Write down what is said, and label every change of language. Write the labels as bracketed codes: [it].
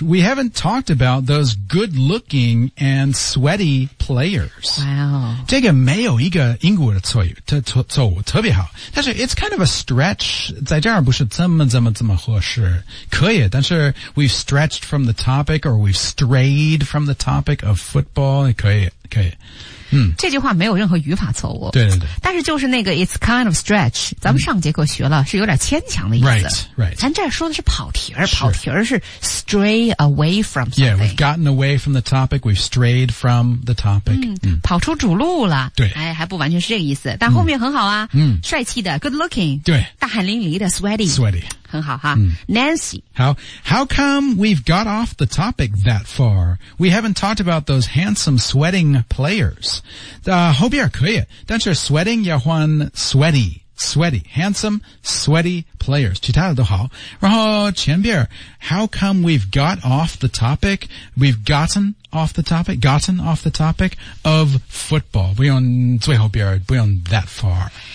[en] We haven't talked about those good looking and sweaty players. Wow. [zh] 这个没有一个英国的错误特别好。但是 [en] it's kind of a stretch, [zh] 在这儿不是这么合适。可以但是 [en] we've stretched from the topic or we've strayed from the topic of football, 可以。 [zh] 嗯、这句话没有任何语法错误对对对但是就是那个 [en] it's kind of stretch [zh] 咱们上节课学了、嗯、是有点牵强的意思 [en] right, right. [zh] 咱这说的是跑题儿，跑题儿是 [en] stray away from something Yeah, we've gotten away from the topic We've strayed from the topic、 [zh] 嗯嗯、跑出主路了对、哎、还不完全是这个意思但后面很好啊、嗯、帅气的 [en] good looking [zh] 对大汗淋漓的 sweaty 很好哈、嗯、 Nancy [en] How come we've got off the topic that far? We haven't talked about those handsome sweating players [zh] 后边可以但是 [en] sweating [zh] 要换 [en] sweaty handsome sweaty players [zh] 其他的都好然后前边 [en] how come we've got off the topic we've gotten off the topic of football [zh] 不用最后边不用 [en] that far